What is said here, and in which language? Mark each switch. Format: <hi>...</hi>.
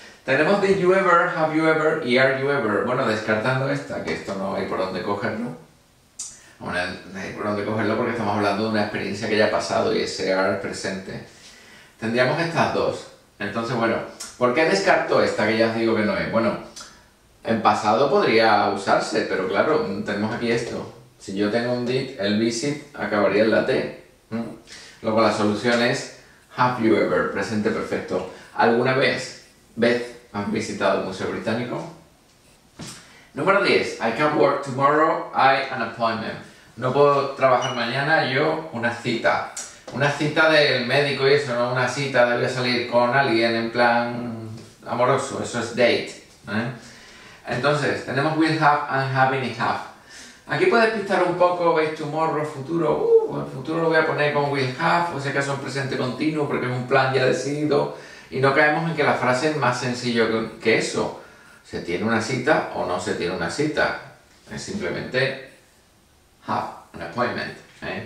<es>Tenemos</es> <en>did you ever, have you ever y are you ever.</en> <es>Bueno, descartando esta, que esto no hay por dónde cogerlo. Bueno, no hay por dónde cogerlo porque estamos hablando de una experiencia que ya ha pasado y ese are presente. Tendríamos estas dos. Entonces, bueno, ¿por qué descarto esta que ya os digo que no es? Bueno, en pasado podría usarse, pero claro, tenemos aquí esto. Si yo tengo un did, el visit acabaría en la T. Luego la solución es</es> <en>have you ever,</en> <es>presente perfecto. ¿Alguna vez, Beth, has visitado el Museo Británico?</es> <en>Número 10. I can't work tomorrow, I have an appointment.</en> <es>No puedo trabajar mañana, yo una cita. Una cita del médico y eso, ¿no? Una cita, debe salir con alguien en plan amoroso, eso es date, ¿eh?</es> <en>Entonces, tenemos will have and having and have.</en> <es>Aquí puedes pintar un poco, veis, tomorrow, futuro. El futuro lo voy a poner con will have, o sea que son presente continuo porque es un plan ya decidido. Y no caemos en que la frase es más sencillo que eso. ¿Se tiene una cita o no se tiene una cita? Es simplemente</es> <en>have an appointment,</en> <es>¿eh?</es>